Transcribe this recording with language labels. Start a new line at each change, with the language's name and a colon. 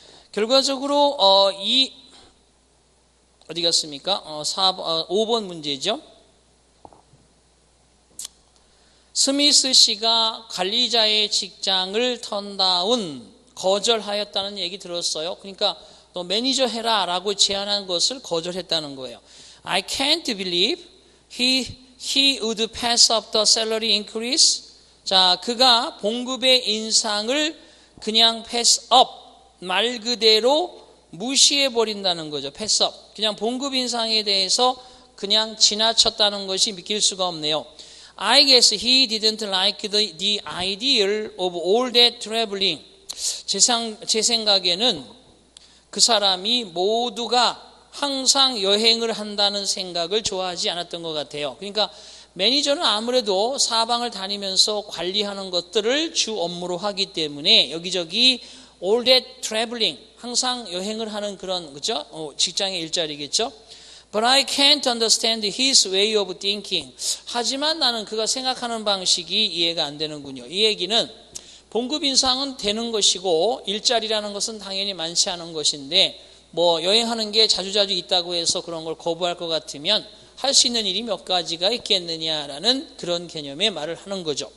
Korean: 결과적으로, 어디 갔습니까? 5번 문제죠. 스미스 씨가 관리자의 직장을 턴다운, 거절하였다는 얘기 들었어요. 그러니까, 너 매니저 해라, 라고 제안한 것을 거절했다는 거예요.
English: I can't believe he would pass up the salary increase.
Korean: 자, 그가 봉급의 인상을 그냥
English: pass up,
Korean: 말 그대로 무시해버린다는 거죠.
English: pass up.
Korean: 그냥 봉급 인상에 대해서 그냥 지나쳤다는 것이 믿길 수가 없네요.
English: I guess he didn't like the idea of all that traveling.
Korean: 제 생각에는 그 사람이 모두가 항상 여행을 한다는 생각을 좋아하지 않았던 것 같아요. 그러니까 매니저는 아무래도 사방을 다니면서 관리하는 것들을 주 업무로 하기 때문에 여기저기
English: all that traveling,
Korean: 항상 여행을 하는 그런 그죠? 직장의 일자리겠죠?
English: But I can't understand his way of thinking.
Korean: 하지만 나는 그가 생각하는 방식이 이해가 안 되는군요. 이 얘기는 봉급 인상은 되는 것이고 일자리라는 것은 당연히 많지 않은 것인데 뭐 여행하는 게 자주자주 있다고 해서 그런 걸 거부할 것 같으면 할 수 있는 일이 몇 가지가 있겠느냐라는 그런 개념의 말을 하는 거죠.